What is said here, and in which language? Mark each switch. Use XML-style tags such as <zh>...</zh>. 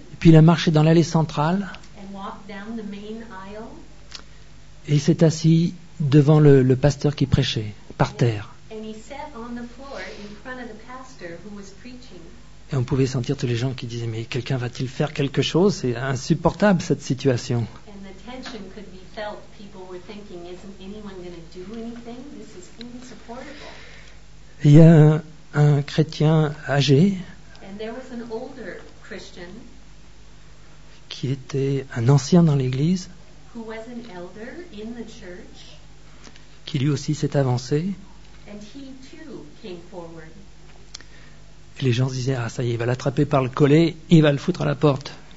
<fr>et puis il a marché dans l'allée centrale.</fr> <en>And walked down the main aisle,</en> <fr>et il s'est assis devant le pasteur qui prêchait, par terre.</fr> <en>And he sat on the floor in front of the pastor who was preaching.</en> <fr>Et on pouvait sentir tous les gens qui disaient, mais quelqu'un va-t-il faire quelque chose? C'est insupportable cette situation.</fr> <en>And the tension could be felt. People were thinking, isn't anyone going to do anything? This is insupportable.</en> <fr>Il y a un chrétien âgé.</fr> <en>And there was an older Christian</en> <fr>qui était un ancien dans l'église.</fr> <en>Who was an elder in the church.</en> <fr>Qui lui aussi s'est avancé.</fr> <en>And he too came forward.</en> <fr>Et les gens se disaient, ah ça y est, il va l'attraper par le collet, il va le foutre à la porte.</fr>